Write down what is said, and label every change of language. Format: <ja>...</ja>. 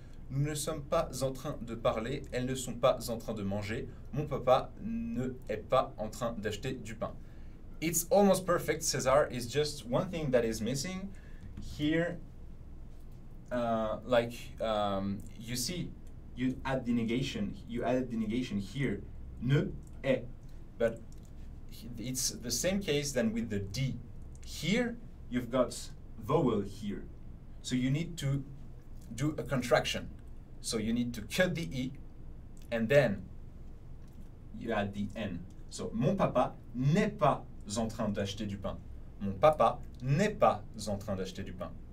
<fr>Nous ne sommes pas en train de parler. Elles ne sont pas en train de manger. Mon papa ne est pas en train d'acheter du pain.</fr> <en>It's almost perfect, César. It's just one thing that is missing here. You see, you add the negation. You add the negation here, ne est. But it's the same case than with the D. Here, you've got vowel here. So you need to do a contraction. So you need to cut the E and then you add the N.</en> <fr>So mon papa n'est pas en train d'acheter du pain. Mon papa n'est pas en train d'acheter du pain.</fr>